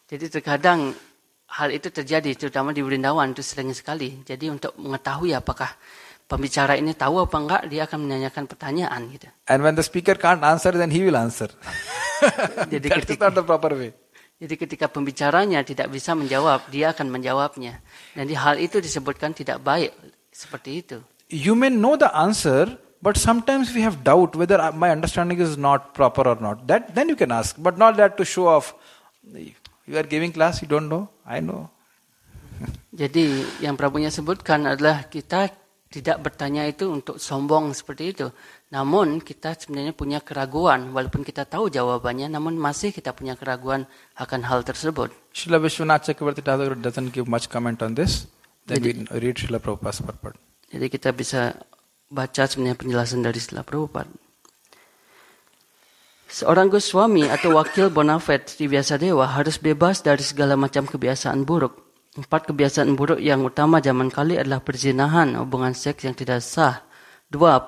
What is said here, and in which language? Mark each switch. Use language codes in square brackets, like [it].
[id] Jadi terkadang hal itu terjadi, terutama di Vrindavan, itu sering sekali. Jadi untuk mengetahui apakah pembicara ini tahu apa enggak, dia akan menanyakan pertanyaan. Gitu. [en] And when the speaker can't answer, then he will answer. [id] Jadi [en] that is not the proper way. [id] Jadi ketika pembicaranya tidak bisa menjawab, dia akan menjawabnya. Dan di hal itu disebutkan tidak baik seperti itu. [en] You may know the answer, but sometimes we have doubt whether my understanding is not proper or not. That then you can ask, but not that to show off. You are giving class, you don't know, I know. [id] Jadi yang Prabhunya sebutkan adalah kita tidak bertanya itu untuk sombong seperti itu. Namun kita sebenarnya punya keraguan, walaupun kita tahu jawabannya, namun masih kita punya keraguan akan hal tersebut. [en] Srila Vishwanath Chakravarti Thakur doesn't give much comment on this. Then we read Srila Prabhupada's purport. [id] Jadi kita bisa baca sebenarnya penjelasan dari Srila Prabhupada. Seorang Goswami atau wakil bonafet di biasa dewa harus bebas dari segala macam kebiasaan buruk. Empat kebiasaan buruk yang utama zaman kali adalah perzinahan, hubungan seks yang tidak sah. 2.